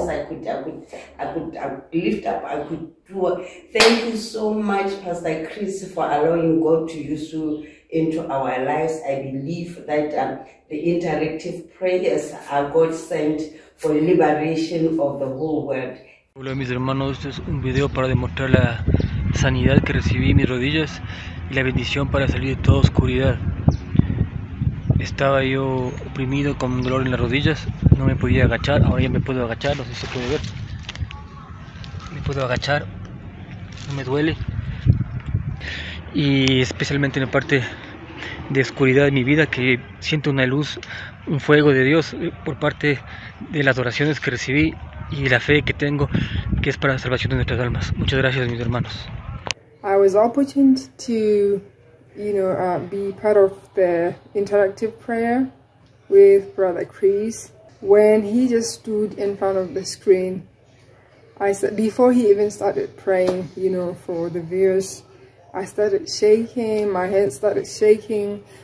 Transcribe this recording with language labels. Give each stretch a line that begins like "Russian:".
English: I could lift up, I could do. Thank you so much, Pastor Chris, for allowing God to use you into our lives. I believe that the interactive prayers are God sent for liberation of the whole world.
Spanish: Hola, mis hermanos, este es un video para demostrar la sanidad que recibí en mis rodillas y la bendición para salir de toda oscuridad. Estaba yo oprimido con dolor en las rodillas, no me podía agachar, ahora ya me puedo agachar, no sé si se puede ver. Me puedo agachar, no me duele. Y especialmente en la parte de oscuridad de mi vida, que siento una luz, un fuego de Dios por parte de las oraciones que recibí y la fe que tengo, que es para la salvación de nuestras almas. Muchas gracias, mis hermanos.
English: I was opportuned to, you know, be part of the interactive prayer with Brother Chris. When he just stood in front of the screen, I said, before he even started praying, you know, for the viewers, I started shaking, my head started shaking.